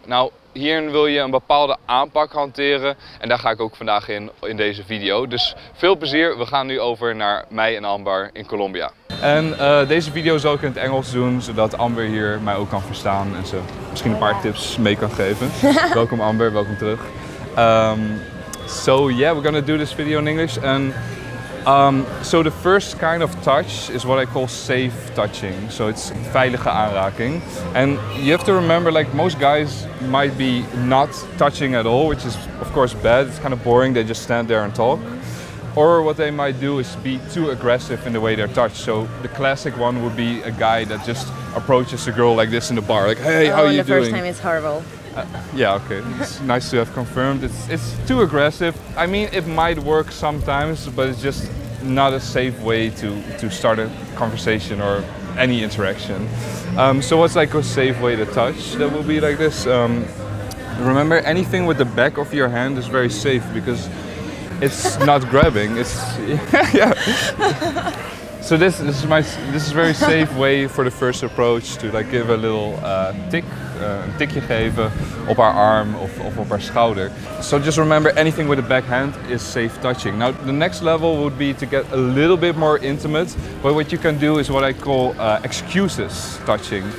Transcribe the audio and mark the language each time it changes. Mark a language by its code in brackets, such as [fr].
[nl] Nou, hierin wil je een bepaalde aanpak hanteren en daar ga ik ook vandaag in deze video. Dus veel plezier, we gaan nu over naar mij en Ambar in Colombia. En deze video zal ik in het Engels doen, zodat Ambar hier mij ook kan verstaan en ze misschien een paar tips mee kan geven. Welkom Ambar, welkom terug. [en] So yeah, we're gonna do this video in English. And so the first kind of touch is what I call safe touching. So it's [nl] veilige aanraking. [en] And you have to remember, like, most guys might be not touching at all, which is of course bad. It's kind of boring. They just stand there and talk. Or what they might do is be too aggressive in the way they're touched. So the classic one would be a guy that just approaches a girl like this in the bar, like, hey, how are you doing? The first time is horrible. Yeah, okay. It's nice to have confirmed. It's too aggressive. I mean, it might work sometimes, but it's just not a safe way to start a conversation or any interaction. So what's like a safe way to touch? That will be like this. Remember, anything with the back of your hand is very safe because it's not grabbing. It's yeah. So this is very safe way for the first approach to like give a little tick. [nl] Een tikje geven op haar arm of op haar schouder. [en] So just remember, anything with a backhand is safe touching. Now the next level would be to get a little bit more intimate. But what you can do is what I call excuses touching.